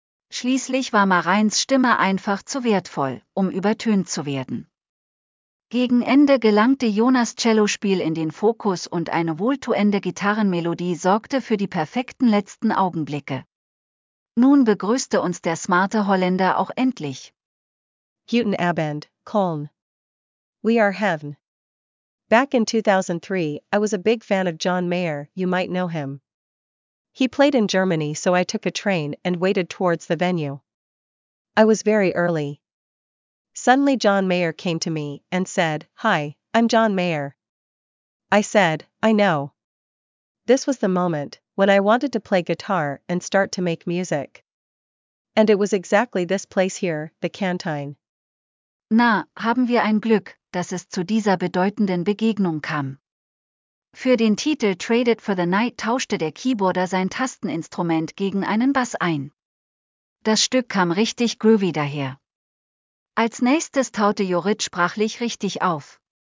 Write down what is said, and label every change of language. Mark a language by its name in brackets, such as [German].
[German] Schließlich war Marines Stimme einfach zu wertvoll, um übertönt zu werden. Gegen Ende gelangte Jonas Cellospiel in den Fokus und eine wohltuende Gitarrenmelodie sorgte für die perfekten letzten Augenblicke. Nun begrüßte uns der smarte Holländer auch endlich. Guten Abend, Köln. [English] We are heaven. Back in 2003, I was a big fan of John Mayer, you might know him. He played in Germany, so I took a train and waited towards the venue. I was very early. Suddenly John Mayer came to me and said, "Hi, I'm John Mayer." I said, "I know." This was the moment when I wanted to play guitar and start to make music. And it was exactly this place here, the canteen. [German] Na, haben wir ein Glück, dass es zu dieser bedeutenden Begegnung kam. Für den Titel Traded for the Night tauschte der Keyboarder sein Tasteninstrument gegen einen Bass ein. Das Stück kam richtig groovy daher. Als nächstes taute Jorrit sprachlich richtig auf.